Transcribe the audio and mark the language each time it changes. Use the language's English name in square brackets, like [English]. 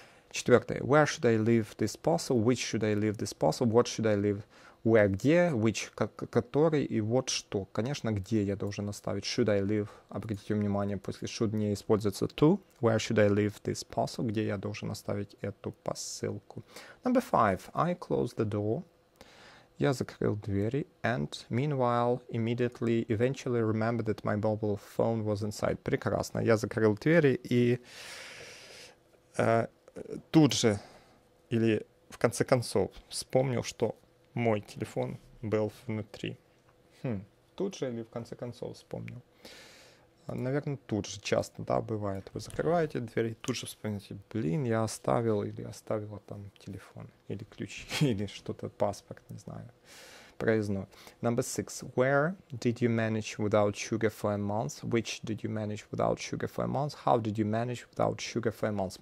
[Russian] Четвертое. [English] Where should I leave this parcel? Which should I leave this parcel? What should I leave? Where, где? [Russian] Which, который и вот что. Конечно, где я должен оставить? [English] Should I leave? [Russian] Обратите внимание, после should не используется to. [English] Where should I leave this parcel? [Russian] Где я должен оставить эту посылку? [English] Number five. I close the door. [Russian] Я закрыл двери. [English] And meanwhile, immediately, eventually remember that my mobile phone was inside. [Russian] Прекрасно. Я закрыл двери и тут же, или в конце концов, вспомнил, что мой телефон был внутри. Тут же или в конце концов вспомнил. Наверное, тут же часто, да, бывает. Вы закрываете двери и тут же вспоминаете, блин, я оставил или оставила там телефон или ключ или что-то, паспорт, не знаю. Проездной. [English] Number six. Where did you manage without sugar for a month? Which did you manage without sugar for a month? How did you manage without sugar for a month?